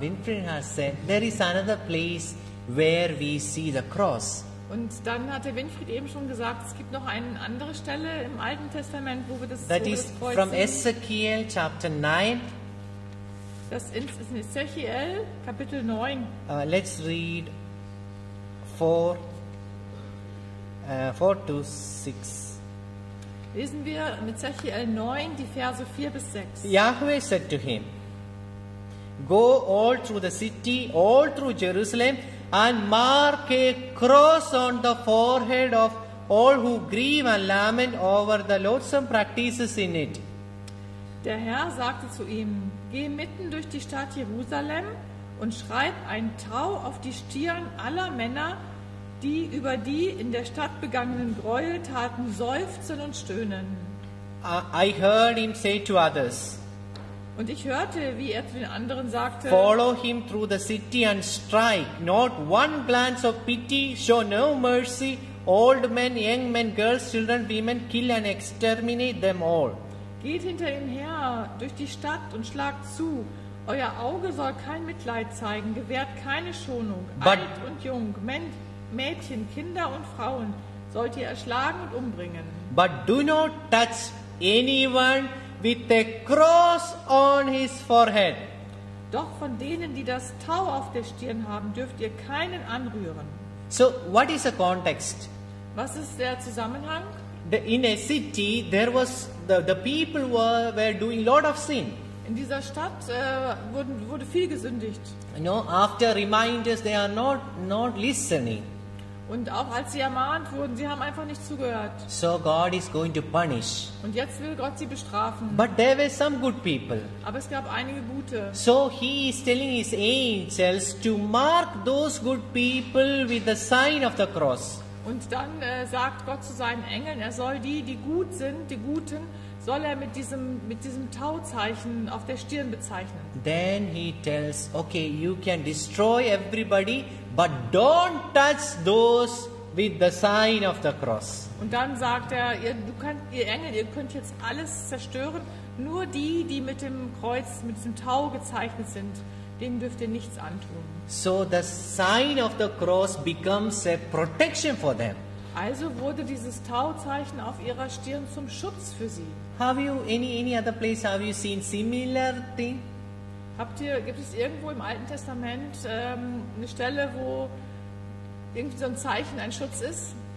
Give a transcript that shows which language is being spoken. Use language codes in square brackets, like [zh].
[en] Winfried has said, there is another place where we see the cross. [de] Und dann hat der Winfried eben schon gesagt, es gibt noch eine andere Stelle im Alten Testament, wo wir das Kreuz sehen. [en] That is from Ezekiel chapter 9. [de] Das ist in Ezekiel Kapitel 9. [en] Let's read 4 to 6. [de] Lesen wir mit Ezekiel 9 die Verse 4 bis 6. [en] Yahweh said to him, go all through the city, all through Jerusalem, and mark a cross on the forehead of all who grieve and lament over the loathsome practices in it. [de] Der Herr sagte zu ihm, geh mitten durch die Stadt Jerusalem und schreib ein Tau auf die Stirn aller Männer, die über die in der Stadt begangenen Gräueltaten seufzen und stöhnen. [en] I heard him say to others, [de] und ich hörte, wie er zu den anderen sagte, [en] follow him through the city and strike. Not one glance of pity, show no mercy. Old men, young men, girls, children, women, kill and exterminate them all. [de] Geht hinter ihm her durch die Stadt und schlagt zu. Euer Auge soll kein Mitleid zeigen, gewährt keine Schonung. Alt und jung, Mädchen, Kinder und Frauen sollt ihr erschlagen und umbringen. [en] But do not touch anyone with a cross on his forehead. [de] Doch von denen, die das Tau auf der Stirn haben, dürft ihr keinen anrühren. [en] So, what is the context? [de] Was ist der Zusammenhang? [en] In a city, there was the people were doing a lot of sin. [de] In dieser Stadt wurde viel gesündigt. [en] No, after reminders, they are not listening. [de] Und auch als sie ermahnt wurden, sie haben einfach nicht zugehört. [en] So God is going to punish. [de] Und jetzt will Gott sie bestrafen. [en] But there were some good people. [de] Aber es gab einige gute. [en] So he is telling his angels to mark those good people with the sign of the cross. [de] Und dann sagt Gott zu seinen Engeln, er soll die gut sind, die Guten, soll er mit diesem Tauzeichen auf der Stirn bezeichnen. [en] Then he tells, okay, you can destroy everybody, but don't touch those with the sign of the cross. [de] Und dann sagt er, ihr Engel, ihr könnt jetzt alles zerstören, nur die mit dem Kreuz, mit dem Tau gezeichnet sind, denen dürft ihr nichts antun. [en] So the sign of the cross becomes a protection for them. [de] Also wurde dieses Tauzeichen auf ihrer Stirn zum Schutz für sie. [en] Have you any other place have you seen similar thing? [de] Gibt es irgendwo im Alten Testament eine Stelle, wo irgendwie so ein Zeichen ein Schutz ist?